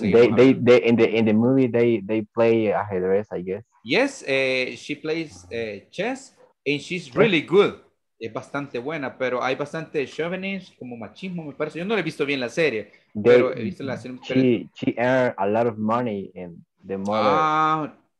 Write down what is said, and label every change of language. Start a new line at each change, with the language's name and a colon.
English: in the movie they play ajedrez, I guess. Yes, she plays chess and she's really good.
Spanish: Es bastante buena, pero hay bastante chauvinism, como machismo, me parece. Yo no la he visto bien la serie, pero he visto la serie.
English: She earned a lot of money in the movie.